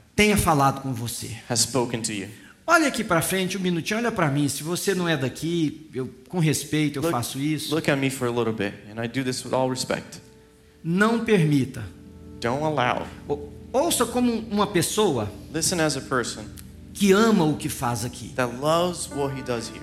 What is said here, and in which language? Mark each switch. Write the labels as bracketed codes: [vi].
[pt] Tenha falado com você. [en] Has spoken to you. [pt] Olha aqui para frente um minutinho, olha para mim. Se você não é daqui, eu com respeito, eu faço isso. [en] Look at me for a little bit, and I do this with all respect. [pt] Não permita. [en] Don't allow. [pt] Ouça como uma pessoa. [en] Listen as a person. [pt] Que ama o que faz aqui. [en] That loves what he does here.